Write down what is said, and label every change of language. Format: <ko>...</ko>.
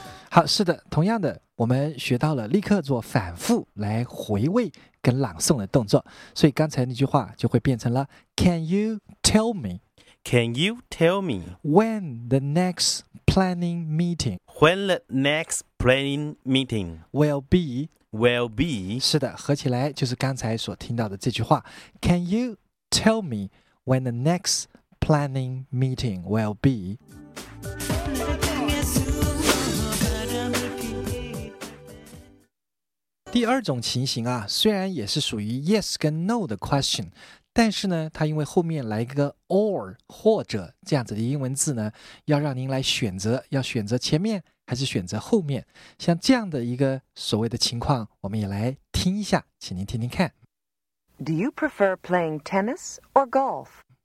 <zh>好，是的，同样的我们学到了立刻做反复来回味跟朗诵的动作，所以刚才那句话就会变成了</zh> <en>Can you tell me? Can you tell me? When the next planning meeting? When the next planning meeting? Will be? Will be?</en> <zh>是的，合起来就是刚才所听到的这句话</zh> <en>Can you tell me when the next planning meeting will be?</en> <zh>第二种情形啊，虽然也是属于 yes 跟 no 的 question， 但是呢它因为后面来一个 or 或者这样子的英文字呢，要让您来选择要选择前面还是选择后面，像这样的一个所谓的情况我们也来听一下，请您听听看。</zh> <en>Do you prefer playing tennis or golf?</en>